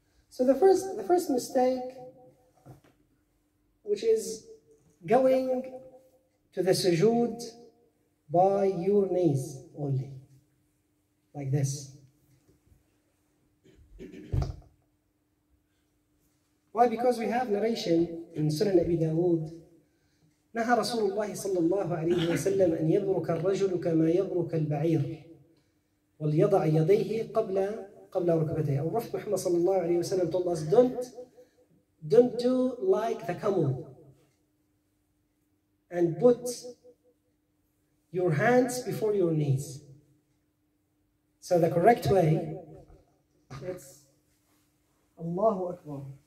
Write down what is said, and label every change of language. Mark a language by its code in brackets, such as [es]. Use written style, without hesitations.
[en] So the first mistake, which is going to the sujood by your knees only, like this. Why? Because we have narration in Sunan Abi Dawood. [ar] نهى رسول الله صلى الله عليه وسلم أن يبرك الرجل كما يبرك البعير وليضع يديه قبل قبل ركبتي أو رفض محمد صلى الله عليه وسلم [en] told us don't do like the camel and put your hands before your knees. So the correct way is Allahu Akbar.